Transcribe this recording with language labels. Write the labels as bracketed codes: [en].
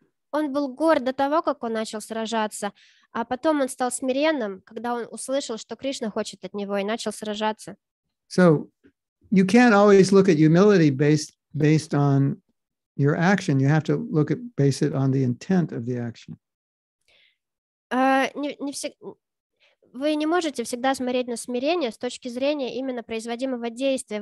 [ru] Он был горд до того, как он начал сражаться, а потом он стал смиренным, когда он услышал, что Кришна хочет от него, и начал сражаться. [en] So you can't always look at humility based on your action. You have to look at base it on the intent of the action. [ru] Вы не можете всегда смотреть на смирение с точки зрения именно производимого действия.